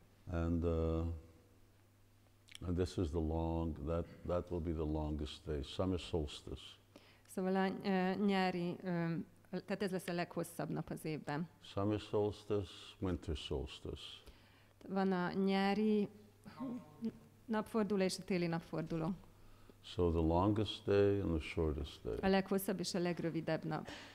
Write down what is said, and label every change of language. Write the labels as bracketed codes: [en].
[en] And this is the long, that will be the longest day, summer solstice. [hu] Szóval a nyári, tehát ez lesz a leghosszabb nap az évben. [en] Summer solstice, winter solstice. [hu] Van a nyári napforduló és a téli napforduló. [en] So the longest day and the shortest day. [hu] A leghosszabb és a legrövidebb nap.